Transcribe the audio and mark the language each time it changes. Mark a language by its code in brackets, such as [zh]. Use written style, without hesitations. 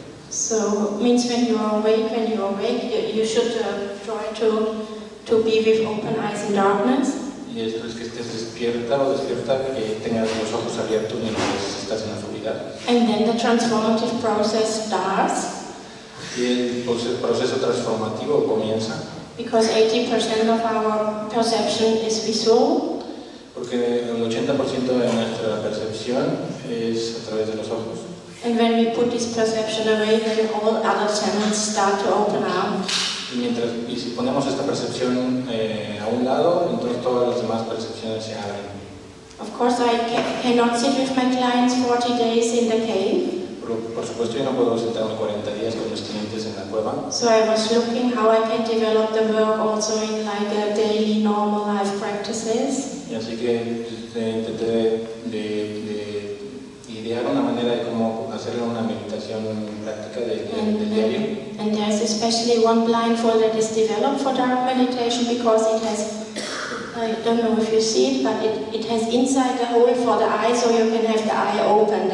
[en] So means when you're awake, you should try to be with open eyes in darkness. [es] Y esto es que estés despierta o despierta que tengas los ojos abiertos mientras estás en la oscuridad. [en] And then the transformative process starts. [es] Y el proceso transformativo comienza. [en] Because 80% of our perception is visual. [es] Porque el 80% de nuestra percepción es a través de los ojos. [en] And when we put this perception away, then all other channels start to open up. [es] Y si ponemos esta percepción a un lado, entonces todas las demás percepciones se abren. [en] Of course, I cannot sit with my clients 40 days in the cave. [es] Por supuesto, yo no puedo sentarme 40 días con mis clientes en la cueva. [en] So I was looking how I can develop the work also in like a daily normal life practices. [es] Y así que intenté de idear una manera de cómo hacerle una meditación práctica del diario. [en] And there's especially one blindfold that is developed for dark meditation because it has, I don't know if you see it, but it has inside a hole for the eye, so you can have the eye open.